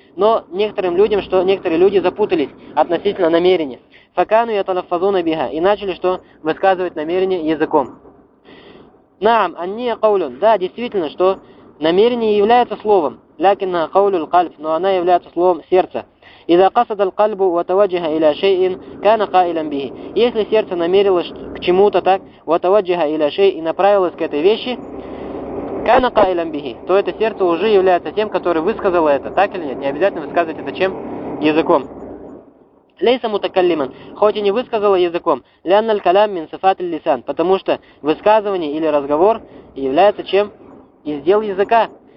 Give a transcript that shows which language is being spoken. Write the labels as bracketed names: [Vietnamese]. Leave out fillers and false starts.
[Russian] Но некоторым людям, что некоторые люди запутались относительно намерения. [Arabic] Факану я талаффазуна биха. [Russian] И начали что? Высказывать намерение языком. [Arabic] Наам, анния каулюн. [Russian] Да, действительно, что намерение является словом. [Arabic] Лякинна каулюль кальб. [Russian] Но она является словом сердца. [Arabic] إذا قصد القلب وتوجه إلى شيء كان قائلا به. [Russian] Если сердце намерилось к чему-то так, [Arabic] وتوجه إلى شيء, [Russian] и направилось к этой вещи, [Arabic] كان قائلا به, [Russian] то это сердце уже является тем, которое высказало это, так или нет? Не обязательно высказывать это чем? Языком. [Arabic] ليس متكلما, [Russian] хоть и не высказало языком, [Arabic] لأن الكلام من صفات اللسان, [Russian] потому что высказывание или разговор является чем? Из дел языка.